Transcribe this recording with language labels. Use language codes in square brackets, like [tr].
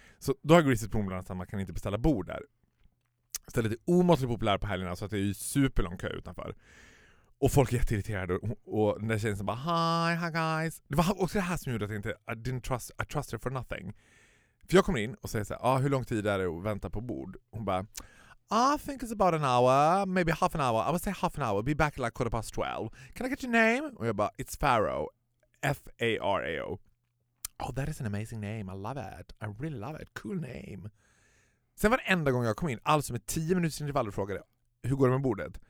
[sv] Så då har Greasy Spoon bland annat att man kan inte beställa bord där. Stället är omåttligt populärt på helgerna så att det är ju superlång kö utanför. Och folk är jätteirriterade. Och den där tjejen som bara, hi guys. Det var också det här som gjorde att jag inte... I trust her for nothing. För jag kommer in och säger så här, hur lång tid är det att vänta på bord? Hon bara... [en] I think it's about an hour, maybe half an hour. I would say half an hour, be back at like 12:15. Can I get your name? Och jag bara, it's Pharaoh. F-A-R-A-O. Oh, that is an amazing name. I love it. I really love it. Cool name. [sv] Sen var det enda gången jag kom in, alltså med 10 minuters intervall, och frågade, hur går det med bordet?